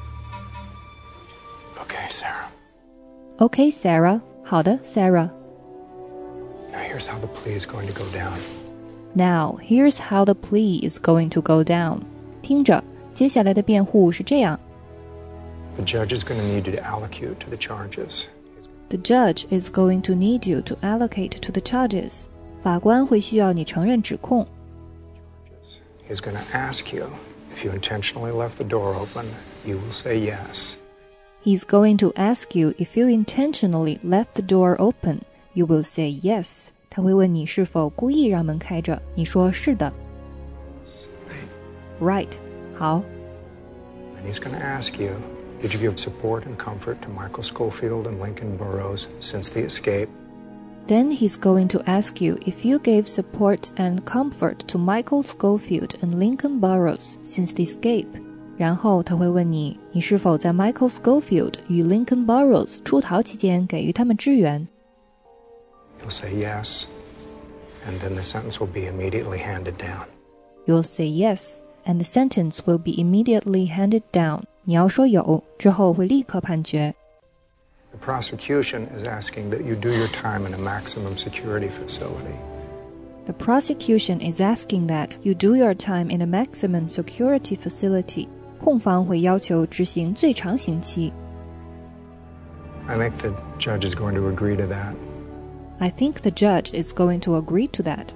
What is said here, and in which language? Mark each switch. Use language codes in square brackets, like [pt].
[en] Who? Okay, Sarah. Okay, Sarah. [zh] 好的 [en] Sarah. Now here's how the plea is going to go down. Now here's how the plea is going to go down. [zh] 听着，接下来的辩护是这样。 [en] The judge is going to need you to allocute to the charges. The judge is going to need you to allocate to the charges. [zh] 法官会需要你承认指控。 [en] He's going to ask you if you intentionally left the door open. You will say yes. He's going to ask you if you intentionally left the door open. You will say yes. [zh] 他会问你是否故意让门开着，你说是的。 [en] Right. [zh] 好。 [en] And he's going to ask you,Did you give support and comfort to Michael Schofield and Lincoln Burroughs since the escape? Then he's going to ask you if you gave support and comfort to Michael Schofield and Lincoln Burroughs since the escape. [zh] 然后他会问你，你是否在 Michael Schofield 与 Lincoln Burroughs 出逃期间给予他们支援？ [en] You'll say yes, and then the sentence will be immediately handed down. You'll say yes, and the sentence will be immediately handed down. [zh] 你要说有，之后会立刻判决。 [en] The prosecution is asking that you do your time in a maximum security facility. The prosecution is asking that you do your time in a maximum security facility. [zh] 控方会要求执行最长刑期。 [en] I think the judge is going to agree to that. I think the judge is going to agree to that.